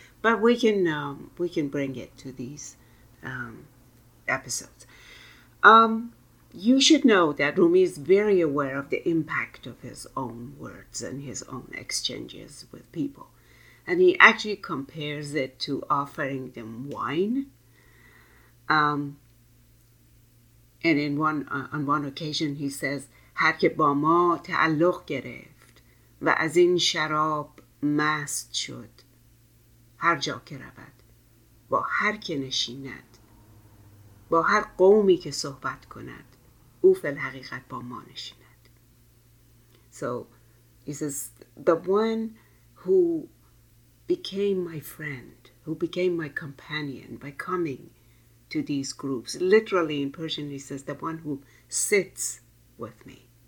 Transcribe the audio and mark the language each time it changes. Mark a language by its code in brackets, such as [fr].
[en] But we can bring it to these episodes. You should know that Rumi is very aware of the impact of his own words and his own exchanges with people. And he actually compares it to offering them wine. [fa] And in one on one occasion he says, هر که با ما تعلق گرفت و از این شراب مست شد هر جا که رود با هر که نشیند با هر قومی که صحبت کند او فی الحقیقت با ما نشیند. [en] So he says, the one who became my friend, who became my companion by coming to these groups, literally in Persian he says, the one who sits with me.